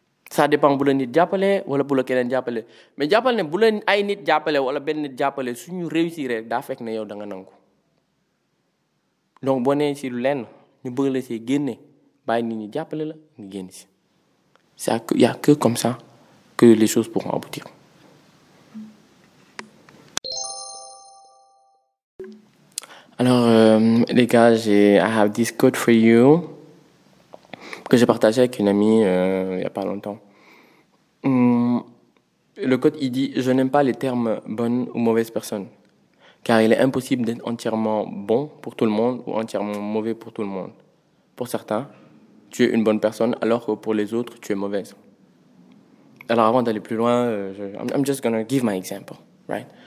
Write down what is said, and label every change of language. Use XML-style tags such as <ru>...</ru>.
<wo>Ça dépend bu la nit jappalé wala bu la kenen jappalé. Mais jappal né bu la ay nit jappalé wala ben nit jappalé suñu réussiré da fek né yow da nga nangou. Donc bonné ci lu lenn ñu bëgg la ci génné bay nit ñi jappalé la ñu génn ci</wo> <fr>ça y a que comme ça que les choses pourront aboutir. Alors les gars,</fr> <en>I have this code for you.</en> <fr>que j'ai partagé avec une amie il n'y a pas longtemps. Le code, il dit « Je n'aime pas les termes bonne ou mauvaise personne, car il est impossible d'être entièrement bon pour tout le monde ou entièrement mauvais pour tout le monde. Pour certains, tu es une bonne personne, alors que pour les autres, tu es mauvaise. » Alors avant d'aller plus loin,</fr> <en>I'm just gonna give my example, right?</en>